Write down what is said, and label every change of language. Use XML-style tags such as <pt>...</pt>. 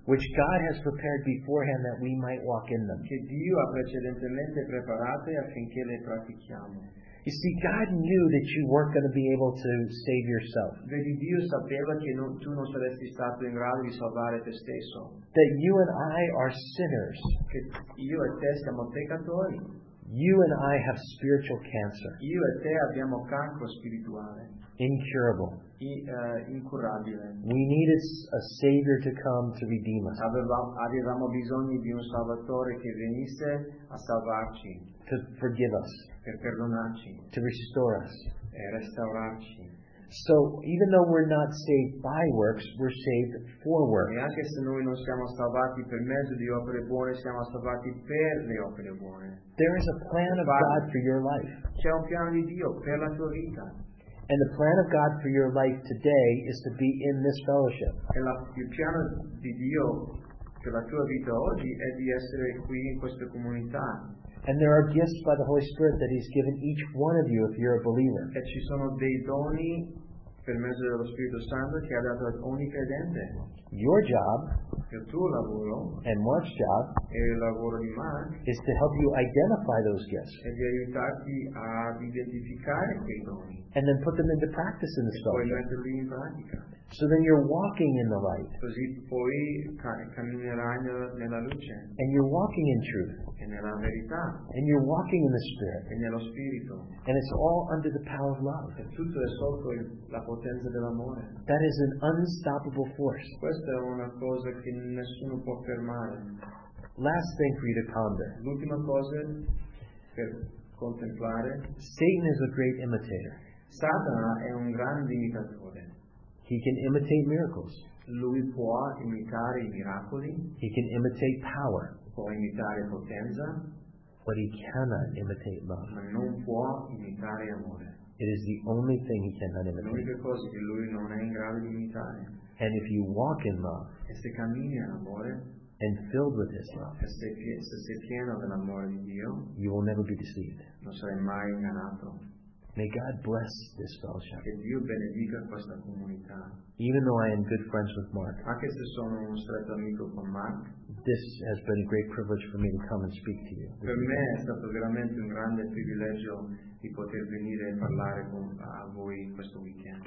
<en>Which God has prepared beforehand that we might walk in them.</en> <it>Che Dio ha precedentemente preparate affinché le pratichiamo.</it> <en>You see, God knew that you weren't going to be able to save yourself.</en> <it>Vedi, Dio sapeva che non, tu non saresti stato in grado di salvare te stesso.</it> <en>That you and I are sinners.</en> <it>Che io e te siamo peccatori.</it> <en>You and I have spiritual cancer.</en> <it>Io e te abbiamo cancro spirituale.</it> <en>Incurable.</en> <it>Incurabile.</it> <en>We needed a Savior to come to redeem us.</en> <it>Avevamo bisogno di un Salvatore che venisse a salvarci.</it> <en>To forgive us.</en> <it>Per perdonarci.</it> <en>To restore us.</en> <it>E restaurarci.</it> <en>So even though we're not saved by works, we're saved for works.</en> <it>E anche se noi non siamo salvati per mezzo di opere buone, siamo salvati per le opere buone.</it> <en>There is a plan of God for your life.</en> <it>C'è un piano di Dio per la tua vita.</it> <en>And the plan of God for your life today is to be in this fellowship.</en> <it>E il piano di Dio per la tua vita oggi è di essere qui in questa comunità.</it> <en>And there are gifts by the Holy Spirit that He's given each one of you if you're a believer.</en> <it>E ci sono dei doni per mezzo dello Spirito Santo che ha dato ad ogni credente.</it> <en>Your job,</en> <it>il tuo lavoro,</it> <en>and Mark's job,</en> <it>e il lavoro di Mark,</it> <en>is to help you identify those gifts.</en> <it>E di aiutarti a identificare quei doni.</it> <en>And then put them into practice in the spirit.</en> <it>E poi metterli in pratica.</it> <en>So then you're walking in the light.</en> <it>Così poi camminerai nella luce.</it> <en>And you're walking in truth.</en> <it>E nella verità.</it> <en>And you're walking in the Spirit.</en> <it>E nello Spirito.</it> <en>And it's all under the power of love.</en> <it>E tutto è sotto la potenza dell'amore.</it> <en>That is an unstoppable force.</en> <it>Questa è una cosa che nessuno può fermare.</it> <en>Last thing for you to ponder.</en> <it>L'ultima cosa per contemplare.</it> <en>Satan is a great imitator.</en> <it>Satana è un grande imitatore.</it> <en>He can imitate miracles.</en> <it>Lui può imitare i miracoli.</it> <en>He can imitate power.</en> <it>Può imitare potenza.</it> <en>But he cannot imitate love.</en> <it>Ma non può imitare amore.</it> <en>It is the only thing he cannot imitate.</en> <it>L'unica cosa che lui non è in grado di imitare.</it> <en>And if you walk in love,</en> <it>e se cammini in amore,</it> <en>and filled with his love,</en> <it>e se sei pieno dell'amore di Dio,</it> <en>you will never be deceived.</en> <it>Non sarai mai ingannato.</it> <en>May God bless this fellowship.</en> <it>Che Dio benedica questa comunità.</it> <en>Even though I am good friends with Mark,</en> <it>anche se sono un stretto amico con Mark,</it> <en>this has been a great privilege for me to come and speak to you.</en> <it>Per me è stato veramente un grande privilegio di poter venire e parlare con a voi questo weekend.</it>